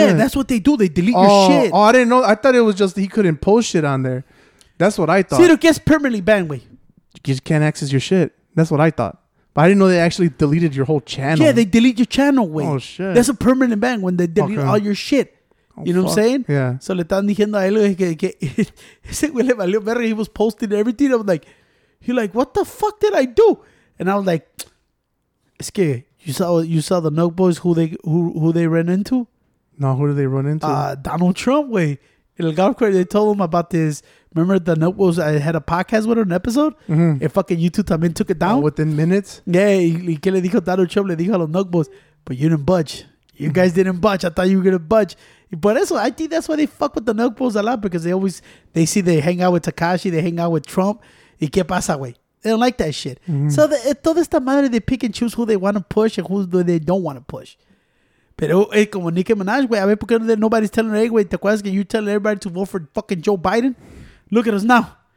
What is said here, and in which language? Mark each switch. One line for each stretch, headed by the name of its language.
English: Yeah, that's what they do. They delete your shit. Oh, I didn't know. I thought it was just he couldn't post shit on there. That's what I thought. See, it gets permanently banned, way. You just can't access your shit. That's what I thought. But I didn't know they actually deleted your whole channel. Yeah, they delete your channel, way. Oh, shit. That's a permanent ban when they delete all your shit. You know what I'm saying? Yeah.
Spanish: So, le están diciendo a él que ese güey le valió verga.
English: He was posting everything. I'm like, he's like, what the fuck did I do? And I was like,
Spanish: es que
English: you saw the Nug Boys who they ran into? No, who do they run into? Donald Trump, way. In the golf course, they told him about this. Remember the notebooks? I had a podcast with him, an episode? Mm-hmm. And fucking YouTube también took it down. Within minutes? Yeah.
Spanish: Y que le dijo Donald Trump? Le dijo a los notebooks.
English: But you didn't budge. You guys didn't budge. I thought you were going to budge. But eso, I think that's why they fuck with the notebooks a lot. Because they see they hang out with Tekashi. They hang out with Trump.
Spanish: ¿Y qué pasa, güey?
English: They don't like that shit. Mm-hmm. So
Spanish: toda esta madre,
English: they pick and choose who they want to push and who they don't want to push.
Spanish: Pero hey, como
English: Nicki Minaj, güey,
Spanish: a ver por qué
English: nobody's telling her, hey, güey,
Spanish: ¿te acuerdas que
English: you're telling everybody to vote for fucking Joe Biden? Look at us now.